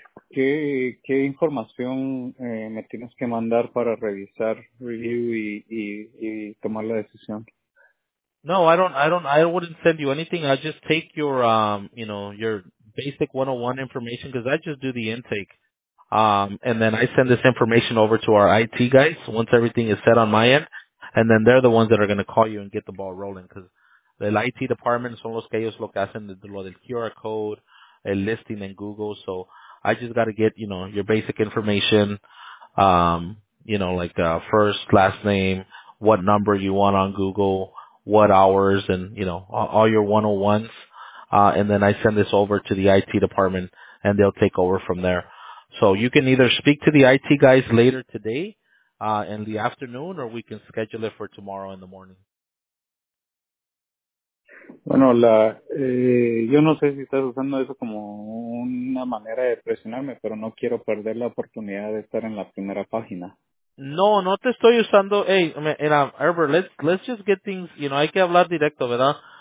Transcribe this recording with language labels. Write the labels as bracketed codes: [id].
[es] ¿Qué información me tienes que mandar para revisar review y tomar la decisión? [en] No, I wouldn't send you anything. I just take your, you know, your basic 101 information, because I just do the intake. And then I send this information over to our IT guys once everything is set on my end. And then they're the ones that are going to call you and get the ball rolling, because the IT department [es] son los que ellos lo que hacen de lo del [en] QR code, el listing in Google. So I just got to get, you know, your basic information, you know, like first, last name, what number you want on Google, what hours, and, you know, all your 101s. And then I send this over to the IT department, and they'll take over from there. So you can either speak to the IT guys later today in the afternoon, or we can schedule it for tomorrow in the morning. [es] Bueno, yo no sé si estás usando eso como una manera de presionarme, pero no quiero perder la oportunidad de estar en la primera página. No, no te estoy usando. Hey, mira, Herbert, [en] let's just get things, you know, [es] hay que hablar directo, ¿verdad?